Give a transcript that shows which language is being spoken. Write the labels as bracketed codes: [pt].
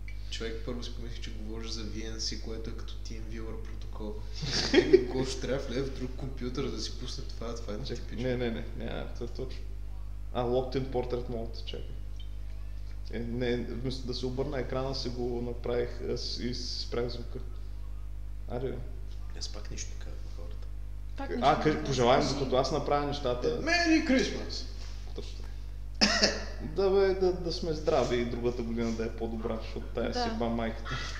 [bg] Човек първо си помисли, че говориш за VNC, което е като TeamViewer протокол. Гош трябва влезе в друг компютър да си пусне това, това е нетипично. Не, това е точно. [en] Locked in Portrait Mode, [bg] чакай. Не, вместо да се обърна екрана, си го направих и си спрях звука. Аре, бе. Аз пак нищо не казвам на хората. Пожелавам, докато аз направя нещата... [en] Merry Christmas! [bg] Да бе, да сме здрави и другата година да е по-добра, защото тая си ба майката.